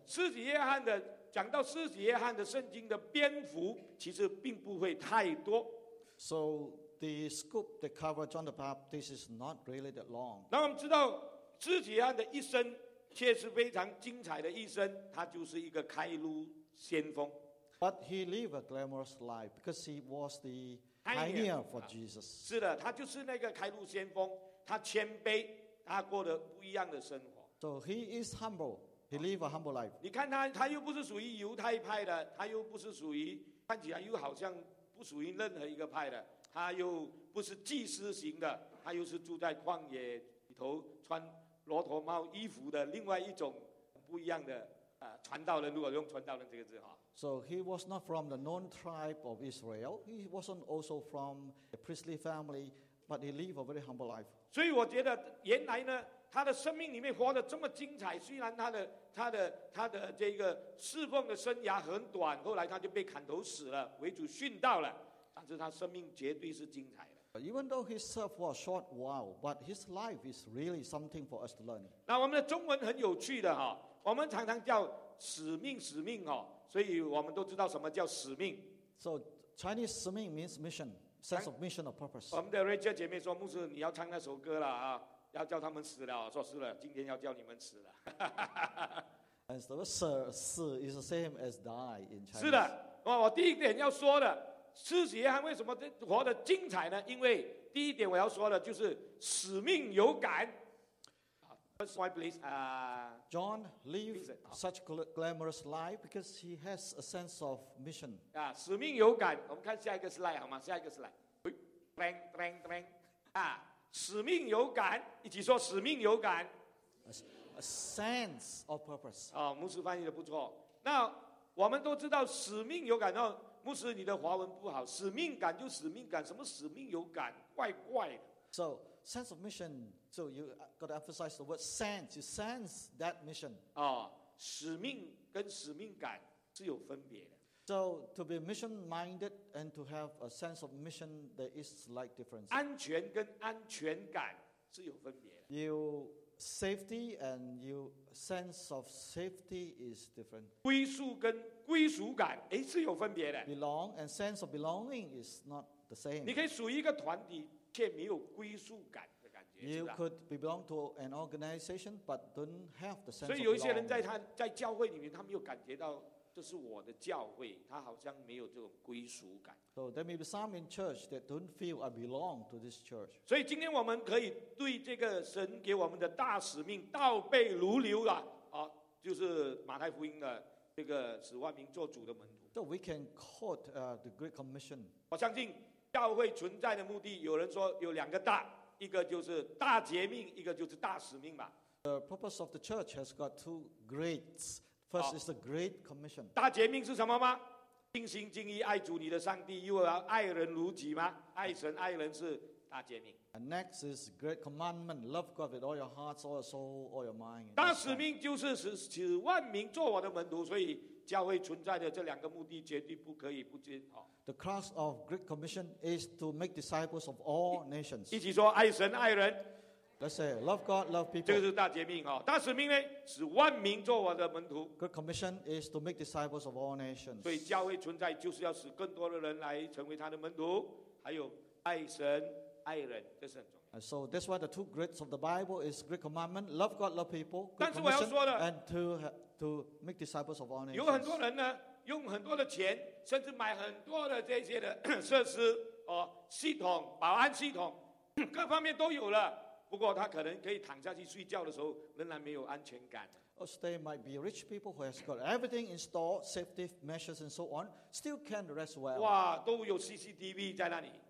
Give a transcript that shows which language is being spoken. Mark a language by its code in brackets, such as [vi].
[zh] 施洗约翰的，讲到施洗约翰的圣经的篇幅，其实并不会太多。 [en] So the scope that covers John the Baptist is not really that long. [zh] 那我们知道施洗约翰的一生却是非常精彩的一生，他就是一个开路先锋。 [en] But he lived a glamorous life because he was the pioneer for Jesus. [zh] 是的，他就是那个开路先锋，他谦卑，他过得不一样的生活。 [en] So he is humble. He lived a humble life. [zh] 你看他又不是属于犹太派的，他又不是属于，看起来又好像不属于任何一个派的，他又不是祭司型的，他又是住在旷野里头穿骆驼帽衣服的另外一种不一样的传道人，如果用传道人这个字哈。 [en] So he was not from the known tribe of Israel. He wasn't also from a priestly family, but he lived a very humble life. [zh] 所以我觉得原来呢，他的生命里面活得这么精彩，虽然他的这个侍奉的生涯很短，后来他就被砍头死了，为主殉道了，但是他生命绝对是精彩的。 [en] Even though he served for a short while, but his life is really something for us to learn. [zh] 那我们的中文很有趣的哈，我们常常叫使命哦，所以我们都知道什么叫使命。 [en] So Chinese 使命 means mission, sense of mission or purpose. [zh] 我们的 Rachel 姐妹说，牧师你要唱那首歌了啊，要叫他们死了，说是了，今天要叫你们死了。 [en] And the word 死 is the same as die in Chinese. [zh] 是的，我第一点要说的。施洗约翰为什么活得精彩呢？因为第一点我要说的就是使命有感。 [en] First slide, please. John lived such glamorous life because he has a sense of mission. [zh] 使命有感。我们看下一个 slide 好吗？下一个 slide. 叮叮叮。使命有感，一起说使命有感。 [en] A sense of purpose. [zh] 牧师翻译的不错。那我们都知道使命有感。牧师你的华文不好，使命感就使命感，什么使命有感，怪怪的。 [en] So sense of mission, so you got to emphasize the word sense, you sense that mission. [zh] 使命跟使命感是有分别的。 [en] So to be mission minded and to have a sense of mission, there is slight difference. [zh] 安全跟安全感是有分别的。 [en] You safety and you sense of safety is different. [zh] 归宿跟归属感是有分别的。 [en] Belong and sense of belonging is not the same. [zh] 你可以属于一个团体，却没有归属感的感觉。 [en] You could belong to an organization but don't have the sense. [zh] 所以有一些人在教会里面，他没有感觉到这是我的教会，他好像没有这种归属感。 [en] So there may be some in church that don't feel I belong to this church. [zh] 所以今天我们可以对这个神给我们的大使命倒背如流就是马太福音的。这个使万民做主的门徒。 [en] So we can quote the Great Commission. [zh] 我相信教会存在的目的，有人说有两个大，一个就是大诫命，一个就是大使命吧。 [en] The purpose of the church has got two greats. First is the Great Commission. [zh] 大诫命是什么吗？尽心尽意爱主你的上帝，又要爱人如己吗？爱神爱人是大诫命。 [en] And next is Great Commandment, love God with all your hearts, all your soul, all your mind. [zh] 大使命就是使万民做我的门徒，所以教会存在的这两个目的绝对不可以不兼。 [en] The cross of Great Commission is to make disciples of all nations. [zh] 一起说爱神爱人。 [en] Let's say love God, love people. [zh] 这个是大诫命。大使命呢，使万民做我的门徒。 [en] Great Commission is to make disciples of all nations. [zh] 所以教会存在就是要使更多的人来成为他的门徒，还有爱神。爱人，这是很重要。 [en] So that's why the two greats of the Bible is Great Commandment, love God, love people. [zh] 但是我要说的 [en] and to make disciples of all nations. [zh] 有很多人呢，用很多的钱，甚至买很多的这些的设施系统、保安系统各方面都有了，不过他可能可以躺下去睡觉的时候仍然没有安全感。 [en] Or they might be rich people who has got everything installed, safety measures and so on, still can't rest well. [zh] 哇，都有 CCTV 在那里。